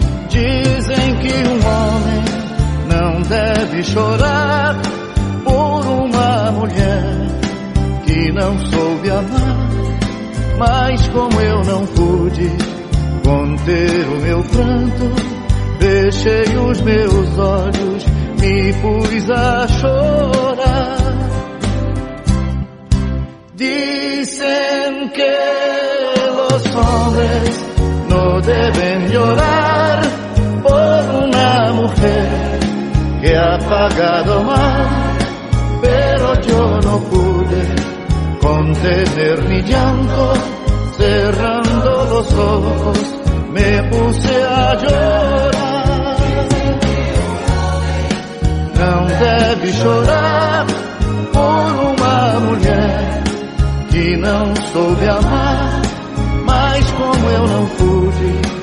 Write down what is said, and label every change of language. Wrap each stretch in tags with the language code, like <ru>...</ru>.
<pt>Dizem que um homem não deve chorar por uma mulher que não soube amar. Mas como eu não pude conter o meu pranto, fechei os meus olhos, me pus a chorar. Dizem que</pt> <es>los hombres deben llorar por una mujer que ha pagado mal, pero yo no pude contener mi llanto, cerrando los ojos me puse a llorar. No debí llorar por una mujer que no soube amar.</es> <pt>Como eu não pude</pt>